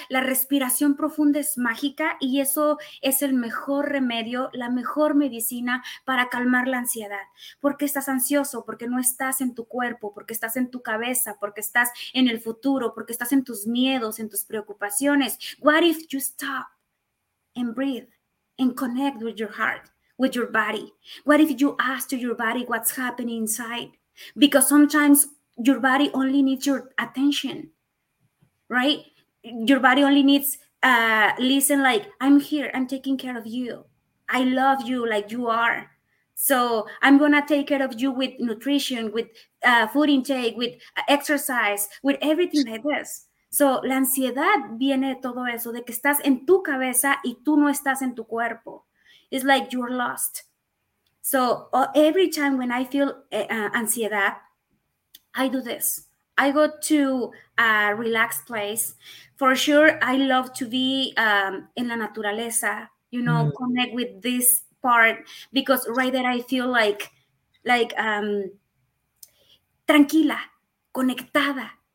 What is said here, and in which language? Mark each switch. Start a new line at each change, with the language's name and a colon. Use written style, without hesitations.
Spanish: La respiración profunda es mágica y eso es el mejor remedio, la mejor medicina para calmar la ansiedad. Porque estás ansioso, porque no estás en tu cuerpo, porque estás en tu cabeza, porque estás en el futuro, porque estás en tus miedos, en tus preocupaciones.
English: What if you stop and breathe and connect with your heart? With your body? What if you ask to your body what's happening inside? Because sometimes your body only needs your attention, right? Your body only needs listen, like, I'm here, I'm taking care of you. I love you like you are. So I'm gonna take care of you with nutrition, with food intake, with exercise, with everything like this.
Spanish: So la ansiedad viene de todo eso, de que estás en tu cabeza y tú no estás en tu cuerpo.
English: It's like you're lost. So every time when I feel ansiedad, I do this. I go to a relaxed place. For sure, I love to be in la naturaleza, you know, connect with this part, because right there I feel like tranquila, conectada.